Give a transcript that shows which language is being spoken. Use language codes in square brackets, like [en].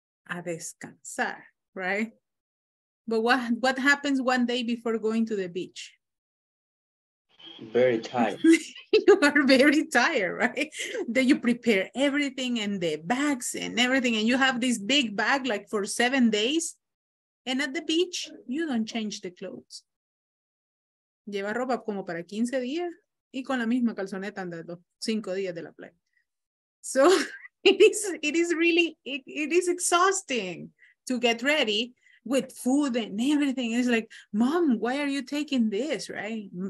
[es] A descansar, [en] right? But what happens one day before going to the beach? Very tired. You are very tired, right? Then you prepare everything and the bags and everything, and you have this big bag like for 7 days. And at the beach, you don't change the clothes. [es] Lleva ropa como para 15 días y con la misma calzoneta anda los 5 días de la playa. [en] So it is exhausting to get ready with food and everything. It's like, mom, why are you taking this, right?